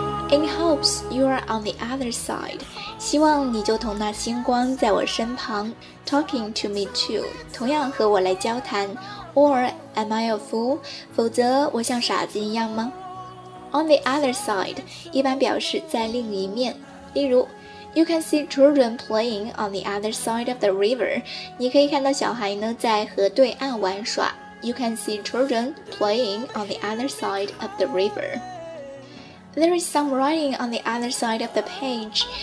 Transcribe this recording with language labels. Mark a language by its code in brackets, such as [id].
[en] In hopes you are on the other side, [zh] 希望你就同那星光在我身旁。 [en] Talking to me too, [zh] 同样和我来交谈。 [en] Or am I a fool? [zh] 否则我像傻子一样吗 ？ [en] On the other side, [zh] 一般表示在另一面。例如 [en] ，You can see children playing on the other side of the river. [zh] 你可以看到小孩呢在河对岸玩耍。 [en] You can see children playing on the other side of the river. There is some writing on the other side of the page.